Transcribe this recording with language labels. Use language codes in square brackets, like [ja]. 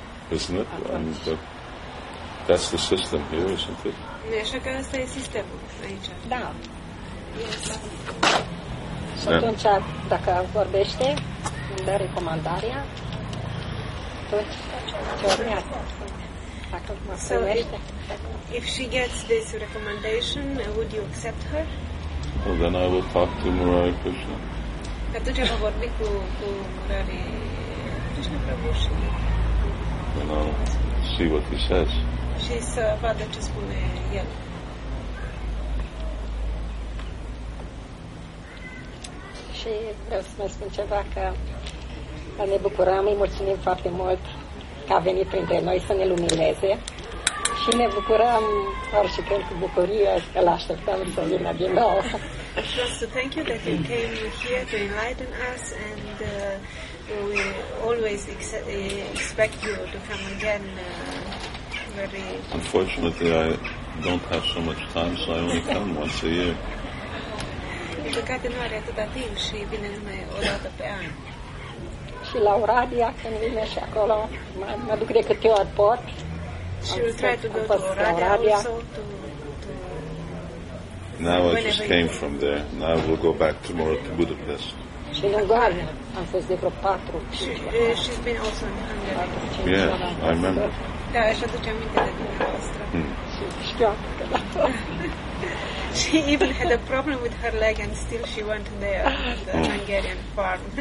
[en] Isn't it? And that's the system here, isn't it? [ro] Așa că ăsta e sistemul aici. Da. Și atunci, dacă vorbește, îmi dă recomandarea, atunci ce urmează. Dacă mă primește. [en] If she gets this recommendation, would you accept her? Well, then I will talk to Mariah Krishna. [ro] Atunci vă vorbi cu Mariah Krishna Prabhu și [en] and I'll see what he says. She's about to just [ro] spune el. Și vreau să mai spun ceva, că ne bucurăm, îi mulțumim foarte mult că a venit printre noi să ne lumineze și ne bucurăm orice când cu bucurie că l-așteptăm să vină din nou. [en] Just to thank you that you came here to enlighten us, and we always expect you to come again very. Unfortunately, I don't have so much time, so I only come once a year. [ro] Păcate, nu are atâta timp și vine numai o dată pe an. Și la Oradea, când vine și acolo, mă duc de câte ori pot. [en] She will try to go to Oradea also to... Now I just came from there. Now I will go back tomorrow to Budapest. [ro] Și în Ungaria am fost de vreo 4 ani. [en] She's been also in Hungary. Yes, I remember. [ro] Da, își aduce aminte de dumneavoastră. [en] She even had a problem with her leg and still she went there to the Hungarian farm.